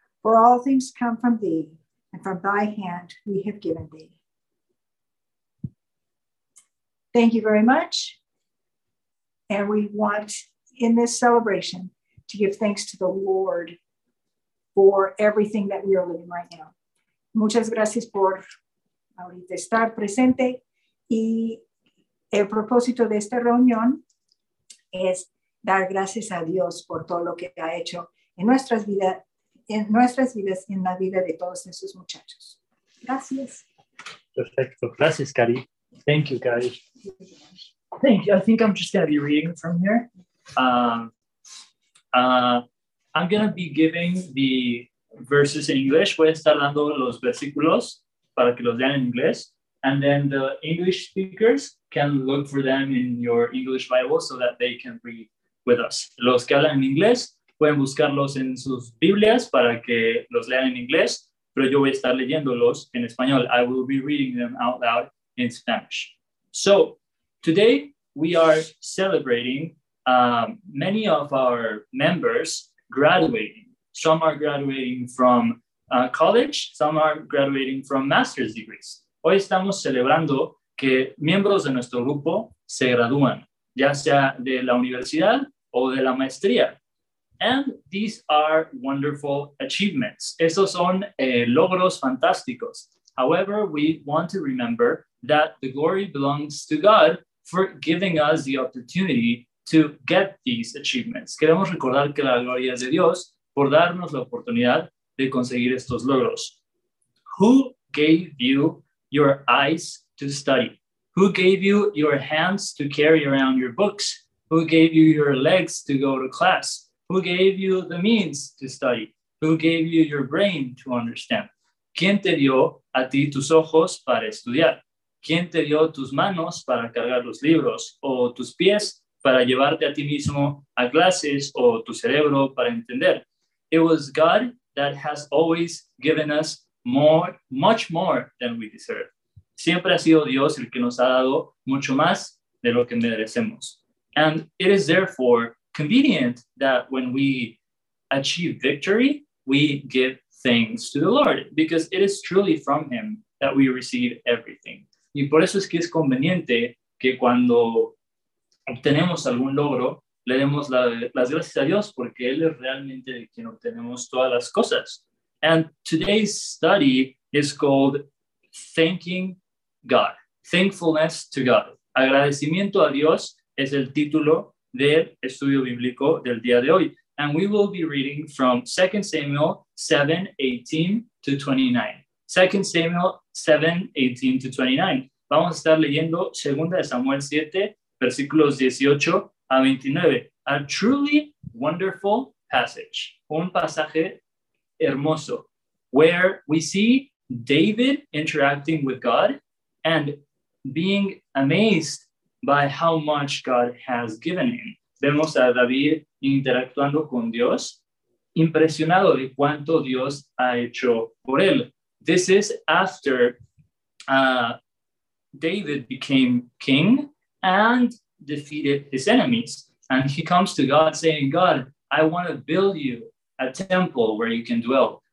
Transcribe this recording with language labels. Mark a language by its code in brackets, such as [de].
[en] For all things come from thee, and from thy hand we have given thee. Thank you very much. And we want in this celebration to give thanks to the Lord for everything that we are living right now. [es] Muchas gracias por ahorita estar presente. Y el propósito de esta reunión es dar gracias a Dios por todo lo que ha hecho en nuestras vidas y en la vida de todos esos muchachos. Gracias. Perfecto. Gracias, Cari. [en] Thank you, Cari. Thank you. I think I'm just going to be reading from here. I'm going to be giving the verses in English. [es] Voy a estar dando los versículos para que los lean en inglés. [en] And then the English speakers can look for them in your English Bible so that they can read with us. [es] Los que hablan en inglés pueden buscarlos en sus Biblias para que los lean en inglés, pero yo voy a estar leyéndolos en español. [en] I will be reading them out loud in Spanish. So, today we are celebrating many of our members graduating. Some are graduating from college, some are graduating from master's degrees. [es] Hoy estamos celebrando que miembros de nuestro grupo se gradúan, ya sea de la universidad o de la maestría. [en] And these are wonderful achievements. [es] Esos son logros fantásticos. [en] However, we want to remember that the glory belongs to God for giving us the opportunity to get these achievements. [es] Queremos recordar que la gloria es de Dios por darnos la oportunidad de conseguir estos logros. [en] Who gave you your eyes to study? Who gave you your hands to carry around your books? Who gave you your legs to go to class? Who gave you the means to study? Who gave you your brain to understand? [es] ¿Quién te dio a ti tus ojos para estudiar? ¿Quién te dio tus manos para cargar los libros? ¿O tus pies para llevarte a ti mismo a clases? ¿O tu cerebro para entender? [en] It was God that has always given us more, much more than we deserve. [es] Siempre ha sido Dios el que nos ha dado mucho más de lo que merecemos. [en] And it is therefore convenient that when we achieve victory, we give thanks to the Lord, because it is truly from Him that we receive everything. [es] Y por eso es que es conveniente que cuando obtenemos algún logro, le demos las gracias a Dios, porque Él es realmente de quien obtenemos todas las cosas. [en] And today's study is called Thanking God. Thankfulness to God. [es] Agradecimiento a Dios es el título del estudio bíblico del día de hoy. [en] And we will be reading from 2 Samuel 7, 18 to 29. 2 Samuel 7, 18 to 29. [es] Vamos a estar leyendo 2 Samuel 7, versículos 18 a 29. [en] A truly wonderful passage. [es] Un pasaje hermoso. [en] Where we see David interacting with God and being amazed by how much God has given him. [es] Vemos a David interactuando con Dios, impresionado de cuánto Dios ha hecho por él. [en] This is after David became king and defeated his enemies. And he comes to God saying, God, I want to build you a temple where you can dwell.